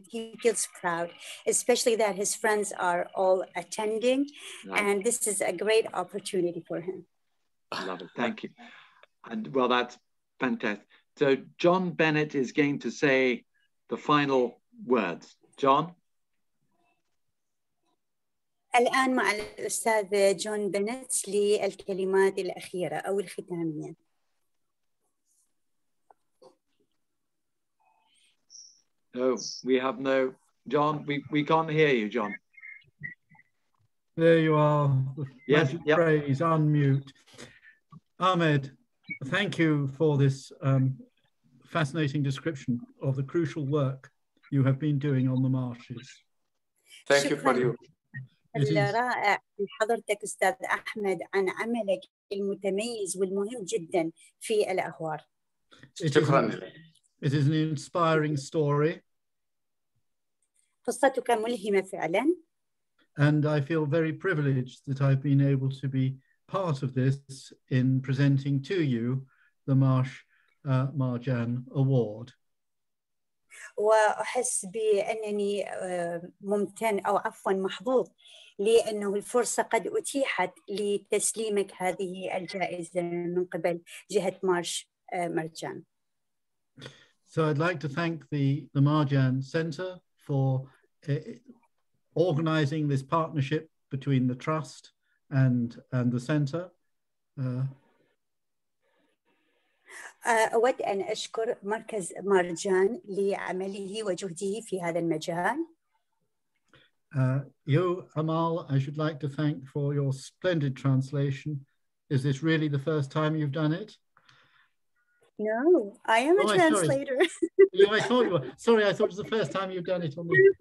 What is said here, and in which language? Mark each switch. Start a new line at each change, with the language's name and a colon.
English: He feels proud, especially that his friends are all attending, and this is a great opportunity for him. I love it. Thank you. And well, that's fantastic. So John Bennett is going to say the final words. John.
Arabic: الآن مع الأستاذ جون بنت للكلمات الأخيرة أو الختامية.
English: No, we have no John. We can't hear you, John. There you are. Yes. Yep. Phrase unmute. Ahmed, thank you for this fascinating description of the crucial work you have been doing on the marshes. Thank you for you.
Arabic: الرائع من حضرتك أستاذ أحمد عن عملك المتميز والمهم جدا في الأغوار.
English: It is an inspiring story.
Arabic: قصتك ملهمة فعلا.
English: And I feel very privileged that I've been able to be part of this in presenting to you the Marsh Marjan Award.
Arabic: وأحس بأنني ممتن أو عفوا محظوظ لأنه الفرصة قد أتيحت لتسليمك هذه الجائزة من قبل جهة مارش مرجان.
English: So I'd like to thank the Marjan Center for organizing this partnership between the trust and the center.
Arabic: أود أن أشكر مركز مارجان لعمله وجهده في هذا المجال.
English: You, Amal, I should like to thank for your splendid translation. Is this really the first time you've done it? No, I am a translator. I thought you were. Sorry, I thought it was the first time you've done it on the.